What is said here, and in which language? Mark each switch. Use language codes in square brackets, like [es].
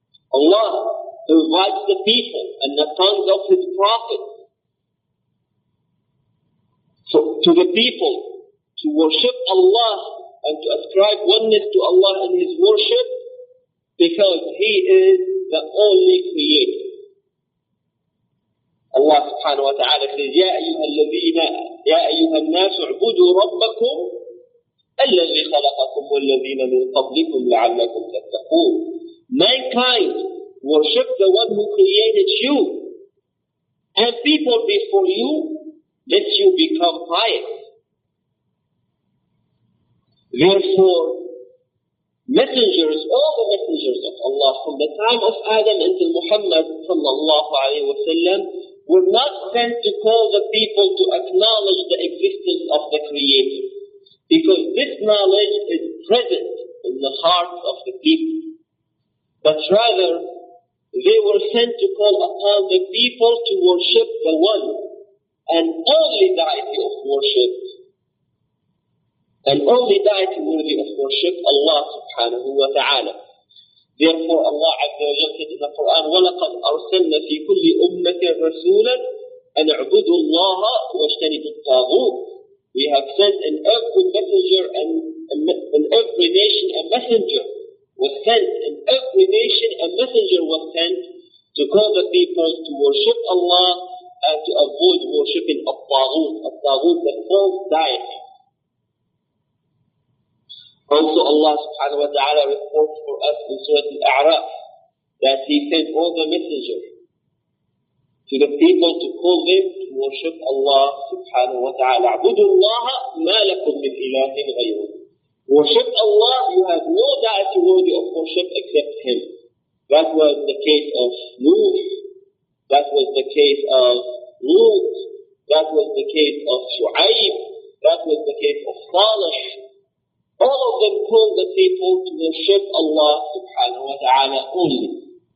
[en] Allah invites the people and the tongues of his prophets to the people to worship Allah and to ascribe oneness to Allah in his worship, because he is the only creator. Allah subhanahu wa ta'ala says, [ar] يَا أَيُّهَا النَّاسُ عُبُدُوا رَبَّكُمْ الَّذِي خَلَقَكُمْ وَالَّذِينَ مِنْ قَبْلِكُمْ لَعَلَّكُمْ تَتَّقُونَ. [en] Mankind, worship the one who created you and people before you, lest you become pious. Therefore, messengers, all the messengers of Allah from the time of Adam until Muhammad sallallahu alayhi wa sallam were not sent to call the people to acknowledge the existence of the Creator. Because this knowledge is present in the hearts of the people. But rather, they were sent to call upon the people to worship the One and only deity of worship. And only deity worthy of worship, Allah subhanahu wa ta'ala. Therefore, Allah Azza wa Jalla said in the Quran, [ar] وَلَقَدْ أَرْسَلْنَا فِي كُلِّ أُمَّةٍ رَسُولًا أَنْ اعْبُدُوا اللَّهَ وَاجْتَنِبُوا الطَّاغُوتَ. [en] We have sent in every messenger and in every nation a messenger was sent, in every nation a messenger was sent to call the people to worship Allah and to avoid worshipping الطاغوت. الطاغوت, the false deity. Also Allah subhanahu wa ta'ala reports for us in Surah Al-A'raf that He sent all the messengers to the people to call them to worship Allah subhanahu wa ta'ala. [ar] اعبدوا الله ما لكم من إله غيره. [en] Worship Allah, you have no deity worthy of worship except Him. That was the case of Nuh, that was the case of Lut, that was the case of Shu'aib, that was the case of Salih. All of them call the people to worship Allah subhanahu wa ta'ala only.